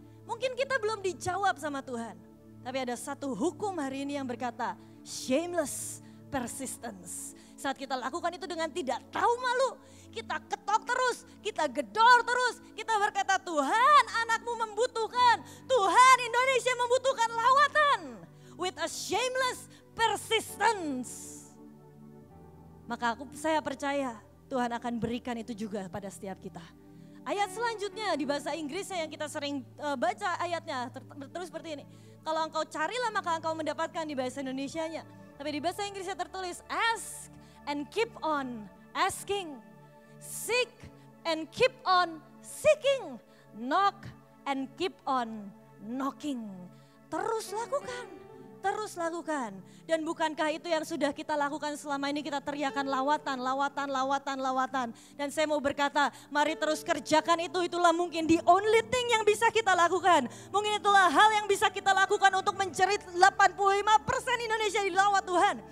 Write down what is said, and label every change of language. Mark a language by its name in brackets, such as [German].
[Indonesian] Mungkin kita belum dijawab sama Tuhan. Tapi ada satu hukum hari ini yang berkata, [English] shameless persistence. [Indonesian] Saat kita lakukan itu dengan tidak tahu malu, kita ketok terus, kita gedor terus, kita berkata, Tuhan, anakmu membutuhkan, Tuhan, Indonesia membutuhkan lawatan. [English] With a shameless persistence. [Indonesian] Maka saya percaya, Tuhan akan berikan itu juga pada setiap kita. Ayat selanjutnya di bahasa Inggrisnya yang kita sering baca ayatnya terus seperti ini. Kalau engkau carilah maka engkau mendapatkan di bahasa Indonesianya. Tapi di bahasa Inggrisnya tertulis [English] ask and keep on asking. Seek and keep on seeking. Knock and keep on knocking. [Indonesian] Terus lakukan, terus lakukan. Dan bukankah itu yang sudah kita lakukan selama ini, kita teriakan lawatan, lawatan, lawatan, lawatan. Dan saya mau berkata, mari terus kerjakan itu, itulah mungkin [English] the only thing [Indonesian] yang bisa kita lakukan. Mungkin itulah hal yang bisa kita lakukan untuk menjerit 85% Indonesia dilawat Tuhan.